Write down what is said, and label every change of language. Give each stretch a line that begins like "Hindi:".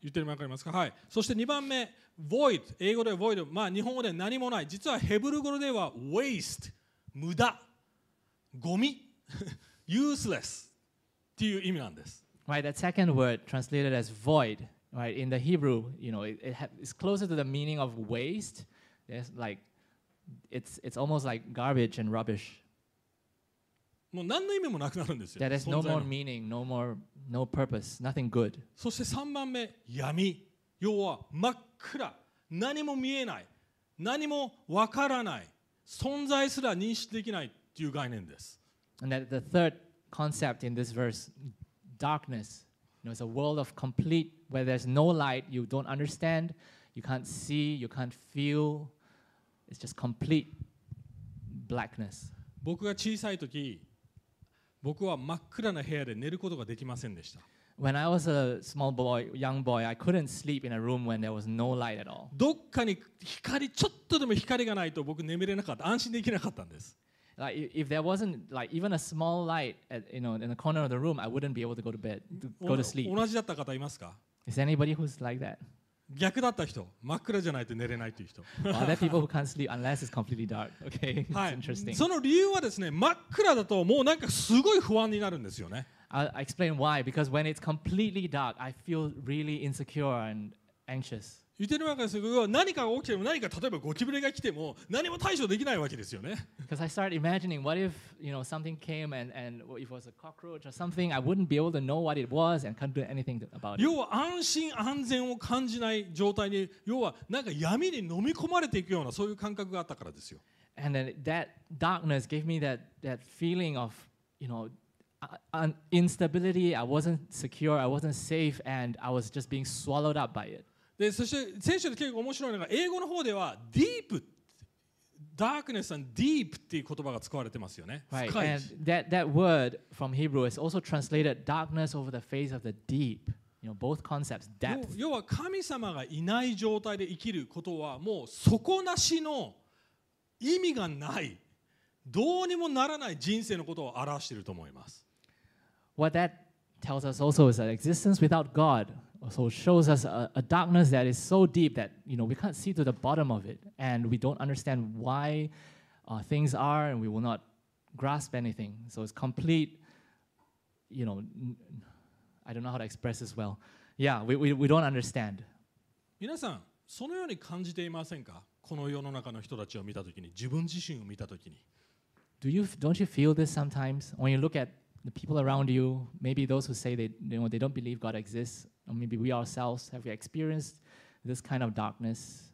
Japanese: 言ってるのわかりますか？はい。そして2番目、void、英語で void、まあ日本語で何もない。実はヘブル語では waste、無駄、ゴミ、useless っていう意味なんです。
English: Right, that second word translated as void, right, in the Hebrew, you know, it's closer to the meaning of waste. It's like it's almost like garbage and rubbish.
Japanese: もう何の意味もなくなるんですよ。
English: There is no more meaning, no purpose, nothing good.
Japanese: そして三番目、闇。要は真っ暗、何も見えない、何もわからない、存在すら認識できないという概念です。
English: And that the third concept in this verse, darkness. You know, it's a world of complete where there's no light. You don't understand. You can't see, you can't feel. It's just complete blackness.
Japanese: 僕が小さい時、僕は真っ暗な部屋で寝ることができませんでした。
English: When I was a small boy, young boy, I couldn't sleep in a room when there was no light at all.
Japanese: どっかに光、ちょっとでも光がないと僕眠れなかった、安心できなかったんです。
English: Like if there wasn't like even a small light at, you know, in the corner of the room, I wouldn't be able to go to sleep.
Japanese: 同じだった方いますか？
English: Is anybody who's like that?
Japanese: 逆だった人、真っ暗じゃないと寝れないという人。
English: Well, there are people who can't sleep unless it's completely dark. Okay, it's interesting.
Japanese: その理由はですね、真っ暗だともうなんかすごい不安になるんですよね。
English: I'll explain why. Because when it's completely dark, I feel really insecure and anxious.
Japanese: 言ってるわけですよ。何かが起きても、何か例えばゴキブリが来ても、何も対処できないわけですよね。
English: Because I start imagining, what if, you know, something came and if it was a cockroach or something, I wouldn't be able to know what it was and can't do anything about it.
Japanese: 要は安心安全を感じない状態に、要はなんか闇に飲み込まれていくようなそういう感覚があったからですよ。
English: And then that darkness gave me that feeling of, you know,instability. I wasn't secure. I wasn't safe, and I was just being swallowed up by it.
Japanese: でそして聖書で結構面白いのが英語の方ではディープ、
English: darkness and deep
Japanese: っていう言葉が使われてますよね。
English: Right.
Japanese: 深い。
English: And that word from Hebrew is also translated darkness over the face of the deep. You know, both concepts, depth.
Japanese: 要は神様がいない状態で生きることはもう底なしの意味がない。どうにもならない人生のことを表していると思います。
English: What that tells us also is that existence without God also shows us a darkness that is so deep that, you know, we can't see to the bottom of it and we don't understand why things are and we will not grasp anything. So it's complete, you know, I don't know how to express this well. Yeah, we don't understand.
Japanese: 皆さん、そのように感じていませんか?この世の中の人たちを見たときに、自分自身を見たときに。
English: Don't you feel this sometimes when you look at the people around you, maybe those who say they don't believe God exists, or maybe we ourselves have we experienced this kind of darkness?